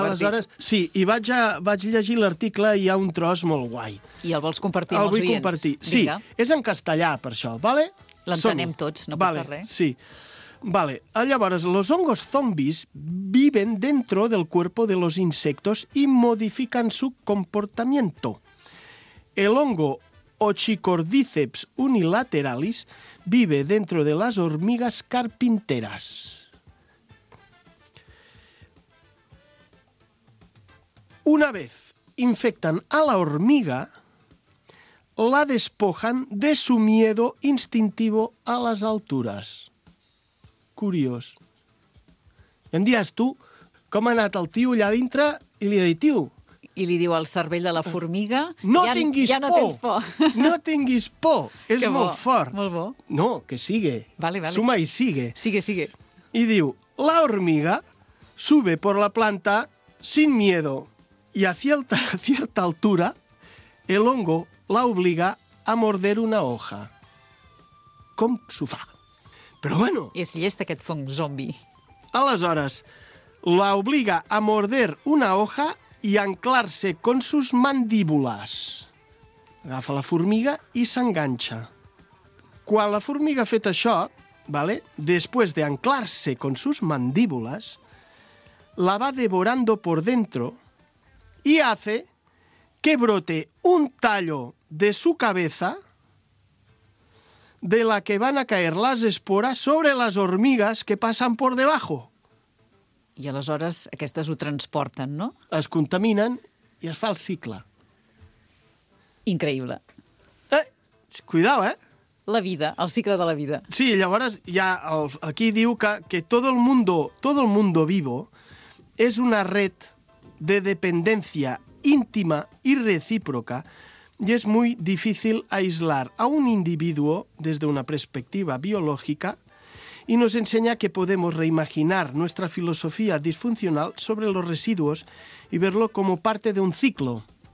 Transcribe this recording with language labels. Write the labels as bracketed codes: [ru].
[ca] Aleshores, sí, i vaig llegir l'article i hi ha un tros molt guai. I el vols compartir amb els oients? El vull compartir. Vinga. Sí, és en castellà, per això, vale? L'entenem tots, no vale, passa res. Sí. [es] Vale, llavors, los hongos zombis viven dentro del cuerpo de los insectos y modifican su comportamiento. El hongo Ochicordyceps unilateralis vive dentro de las hormigas carpinteras. Una vez infectan a la hormiga, la despojan de su miedo instintivo a las alturas. [ca] Curiós. Em diràs tu com ha anat el tio allà dintre i li ha dit, tio... I li diu al cervell de la formiga... No ja, tinguis ja por! Ja no tens por! No tinguis por! És que molt bo, fort! Molt bo! [es] No, que sigue! Vale, vale. [ca] Suma i sigue! [es] Sigue, sigue! [ca] I diu, [es] la hormiga sube por la planta sin miedo y a cierta altura el hongo la obliga a morder una hoja. [ca] Com s'ho fa? Però bueno... És llest, aquest fong zombi. Aleshores, [es] la obliga a morder una hoja i anclar-se con sus mandíbulas. [ca] Agafa la formiga i s'enganxa. Quan la formiga ha fet això, ¿vale? [es] Después de anclar-se con sus mandíbulas, la va devorando por dentro y hace que brote un tallo de su cabeza... de la que van a caer las esporas sobre las hormigas que pasan por debajo. [ca] I aleshores aquestes ho transporten, no? Es contaminen i es fa el cicle. Increïble. Cuidao, eh? La vida, el cicle de la vida. Sí, llavors ja aquí diu que [es] todo el mundo vivo [ca] és [es] una red de [ca] dependència íntima i recíproca. [es] Y es muy difícil aislar a un individuo desde una perspectiva biológica y nos enseña que podemos reimaginar nuestra filosofía disfuncional sobre los residuos y verlo como parte de un ciclo.